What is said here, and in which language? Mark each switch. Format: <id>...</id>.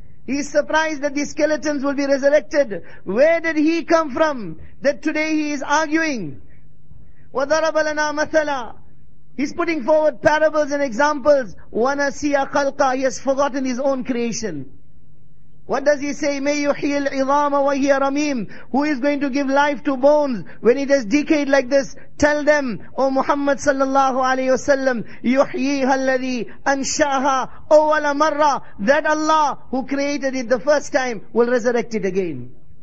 <en>He's surprised that these skeletons will be resurrected. Where did he come from that today he is arguing?</en> <ar>وَضَرَبَ لَنَا مَثَلًا.</ar> <en>He's putting forward parables and examples.</en> <ar>وَنَسِيَ خَلْقًا.</ar> <en>He has forgotten his own creation. What does he say?</en> <ar>May يُحْيِي الْعِظَامَ وَهِيَ رَمِيمٌ.</ar> <en>Who is going to give life to bones when it has decayed like this? Tell them, O Muhammad sallallahu alayhi wa sallam,</en> <ar>يُحْيِيهَا الَّذِي أَنْشَأَهَا أَوَّلَ مَرَّةٍ.</ar> <en>That Allah who created it the first time will resurrect it again.</en>